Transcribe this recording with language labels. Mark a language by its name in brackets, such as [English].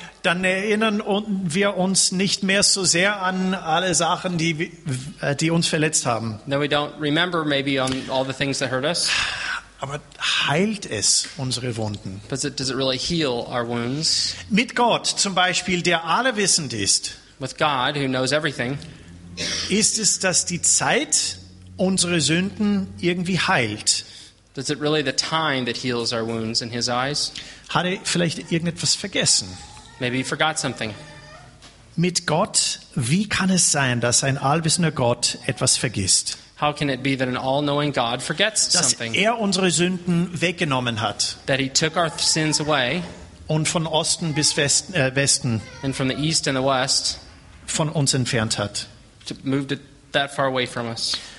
[German] dann erinnern wir uns nicht mehr so sehr an alle Sachen, die uns verletzt haben. [English] Then we don't remember maybe on all the things that hurt us. [German] Aber heilt es unsere Wunden? [English] Does it really heal our wounds? [German] Mit Gott zum Beispiel, der allwissend ist, [English] with God, who knows everything, [German] ist es, dass die Zeit unsere Sünden irgendwie heilt? [English] Is it really the time that heals our wounds in his eyes? [German] Hat er vielleicht irgendetwas vergessen? [English] Maybe he forgot something. [German] Mit Gott, wie kann es sein, dass ein allwissender Gott etwas vergisst? [English] How can it be that an all-knowing God forgets something? [German] Dass er unsere Sünden weggenommen hat. [English] That he took our sins away. [German] Und von Osten bis Westen, [English] And from the east and the west. [German] Von uns entfernt hat. [English] To moved it that far away from us.